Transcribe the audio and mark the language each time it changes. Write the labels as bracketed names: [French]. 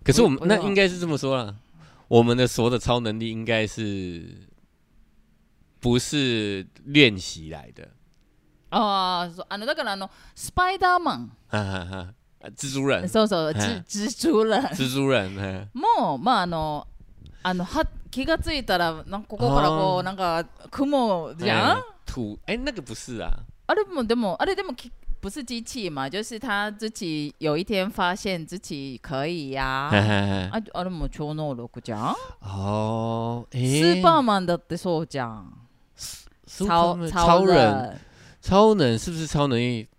[Chinese] 可是我们那应该是这么说啦，我们的所有的超能力应该是不是练习来的。 [Japanese] あーあのだからあのスパイダーマン [Chinese] 蜘蛛人 [Japanese] そうそう蜘蛛人 [Chinese] 蜘蛛人 [Japanese] もうまああのあの気がついたらなんかここからこうなんか雲じゃん、 [Chinese] 土、え、那个不是啊。 [Japanese] あれもでもあれでも [Chinese] 不是机器嘛，就是他自己有一天发现自己可以呀、啊。 [Japanese] あれも超能力じゃん。 [Chinese] 哦、 [Japanese] スーパーマンだってそうじゃん。 [Chinese] 超人，超能是不是超能力？